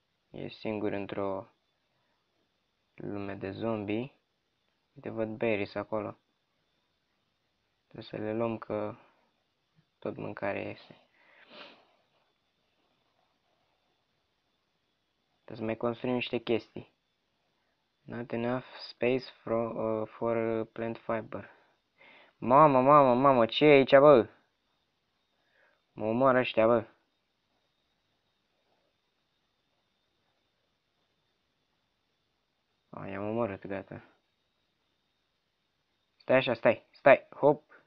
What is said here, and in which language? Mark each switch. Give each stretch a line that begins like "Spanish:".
Romanian: Ești singur într-o lume de zombie. Te văd berries acolo. Trebuie să le luăm că tot mâncarea este. Trebuie să mai construim niște chestii.
English: Not enough space for plant fiber.
Romanian: Mamă, mamă, mamă, ce e aici, bă? Mă omoară ăștia, bă. A, i-am omorât, gata. Stai așa, stai, stai, hop.